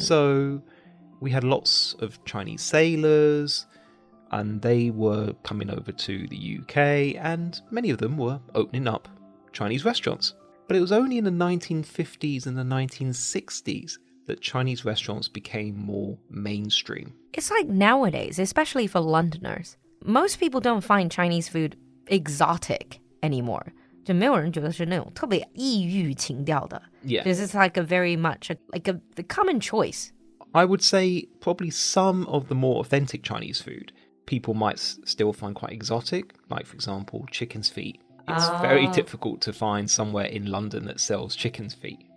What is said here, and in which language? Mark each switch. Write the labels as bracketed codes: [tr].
[en] So we had lots of Chinese sailors, and they were coming over to the UK, and many of them were opening up Chinese restaurants. But it was only in the 1950s and the 1960s that Chinese restaurants became more mainstream. It's like nowadays, especially for Londoners, most people don't find Chinese food exotic anymore. [zh] 就没有人觉得是那种特别异域情调的。 [en] Yeah. This is like a very much, like a common choice. I would say probably some of the more authentic Chinese food people might still find quite exotic, like for example, chicken's feet. It's very difficult to find somewhere in London that sells chicken's feet.